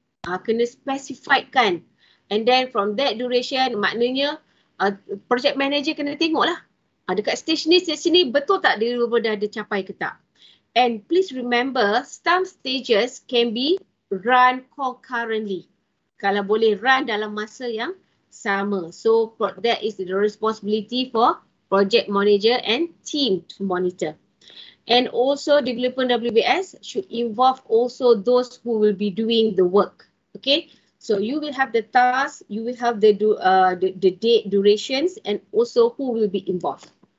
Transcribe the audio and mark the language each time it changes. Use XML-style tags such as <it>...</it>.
<ms>Kena specify kan.</ms> <en>And then from that duration,</en> <ms>maknanya,</ms> <en>project manager</en> <ms>kena tengok lah. Dekat stage ni betul tak dia dah ada capai ke tak?</ms> <en>And please remember, some stages can be run concurrently.</en> <ms>Kalau boleh run dalam masa yang sama.</ms> <en>So that is the responsibility for project manager and team to monitor. And also development WBS should involve also those who will be doing the work. Okay. So you will have the task, you will have the date, durations, and also who will be involved.</en>